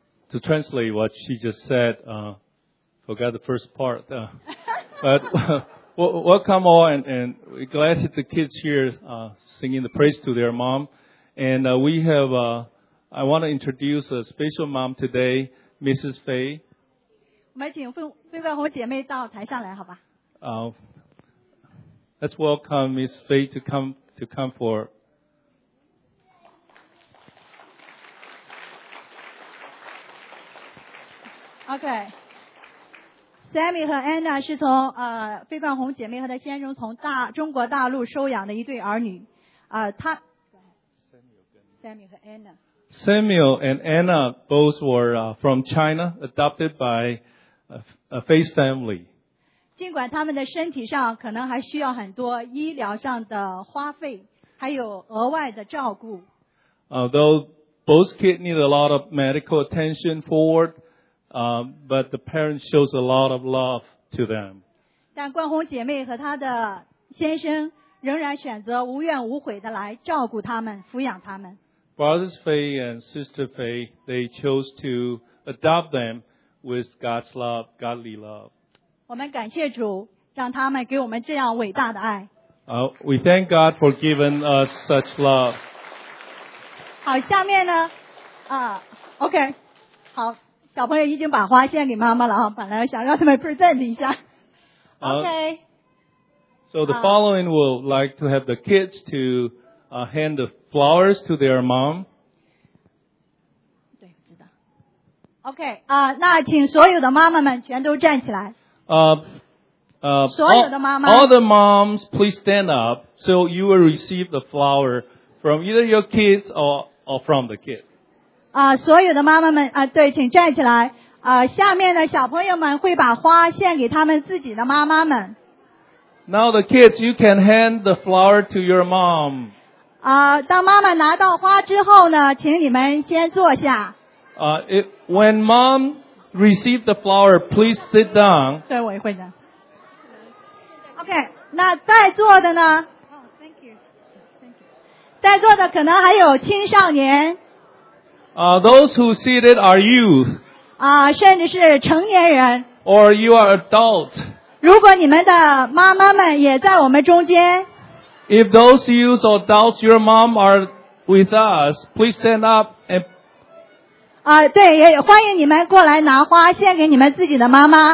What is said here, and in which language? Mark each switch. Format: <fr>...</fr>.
<en>To translate what she just said, forgot the first part. welcome all, and we're glad that the kids here, singing the praise to their mom. And, I want to introduce a special mom today, Mrs. Fei.</en> <zh>我们请费冠红姐妹到台上来，好吧。</zh> <en>Let's welcome Mrs. Fei to come for</en> <zh>Okay. Sammy 和 Anna 是从费冠红姐妹和她先生从中国大陆收养的一对儿女。 Samuel 和 Anna.</zh> <en>Samuel and Anna both were from China, adopted by a Faith family.</en> <zh>尽管他们的身体上可能还需要很多医疗上的花费，还有额外的照顾。</zh> <en>Though both kids need a lot of medical attention forward,but the parents shows a lot of love to them.</en> <zh>但冠红姐妹和她的先生仍然选择无怨无悔地来照顾他们，抚养他们。</zh> <en>Brothers Faye and Sister Faye, they chose to adopt them with God's love, godly love.</en> <zh>我们感谢主，让他们给我们这样伟大的爱。</zh> <en>We thank God for giving us such love.</en> <zh>好，下面呢，OK, 好。小朋友已经把花献给妈妈了，本来想让他们 present 一下。Okay.</zh> <en>So the following will like to have the kids to hand the flowers to their mom.</en> <zh>对，知道。Okay, 那请所有的妈妈们全都站起来。所有的妈妈。</zh> <en>All the moms, please stand up so you will receive the flower from either your kids or from the kid.</en> <zh>所有的妈妈们对，请站起来。下面的小朋友们会把花献给他们自己的妈妈们。</zh> <en>Now the kids, you can hand the flower to your mom.</en> <zh>当妈妈拿到花之后呢，请你们先坐下。</zh> <en>When mom received the flower, please sit down.</en> <zh>对，我也会的。OK, 那在座的呢？</zh> <en>Oh, thank you.</en> <zh>在座的可能还有青少年。</zh> <en>Those who seated are you.</en> <zh>甚至是成年人。</zh> <en>Or you are adults.</en> <zh>如果你们的妈妈们也在我们中间。</zh> <en>If those youths or adults, your mom are with us, please stand up and...</en> <zh>对，也欢迎你们过来拿花，献给你们自己的妈妈。</zh>